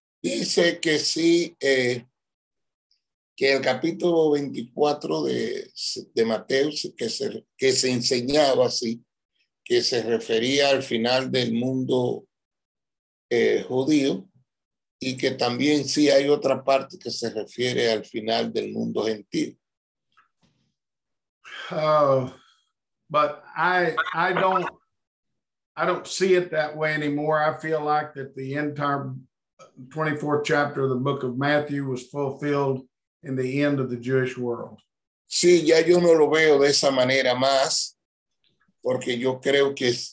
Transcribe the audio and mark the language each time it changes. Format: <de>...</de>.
<es>Dice que sí, que el capítulo 24 de Mateo, que se enseñaba así, que se refería al final del mundo judío, y que también sí hay otra parte que se refiere al final del mundo gentil.</es> <en>But I don't see it that way anymore. I feel like that the entire 24th chapter of the book of Matthew was fulfilled in the end of the Jewish world.</en> <es>Sí, ya yo no lo veo de esa manera más, porque yo creo que</es>